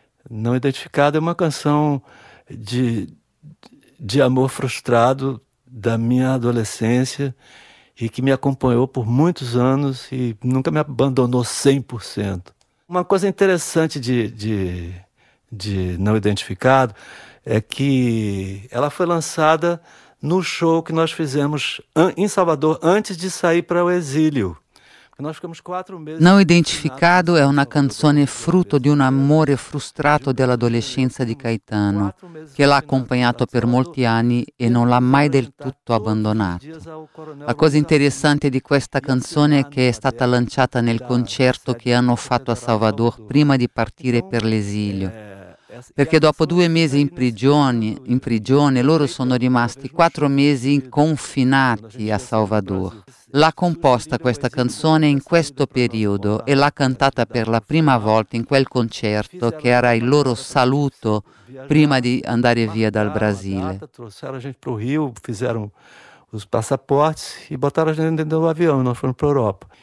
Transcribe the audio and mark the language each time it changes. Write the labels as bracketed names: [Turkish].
[Portuguese] Não Identificado é uma canção de amor frustrado da minha adolescência e que me acompanhou por muitos anos e nunca me abandonou 100%. Uma coisa interessante de Não Identificado é que ela foi lançada no show que nós fizemos em Salvador antes de sair para o exílio. Nós ficamos 4 meses. [Italian] Não Identificado [Portuguese] é uma [Italian] canzone frutto di un amore frustrato dell'adolescenza di Caetano, che l'ha accompagnato per molti anni e non l'ha mai del tutto abbandonato. La cosa interessante di questa canzone è che è stata lanciata nel concerto che hanno fatto a Salvador prima di partire per l'esilio. Perché dopo 2 mesi in prigione, loro sono rimasti 4 mesi confinati a Salvador. L'ha composta questa canzone in questo periodo e l'ha cantata per la prima volta in quel concerto che era il loro saluto prima di andare via dal Brasile. [Portuguese] Trouxeram a gente pro Rio, fizeram os passaportes e botaram a gente dentro do avião, nós fomos pra Europa.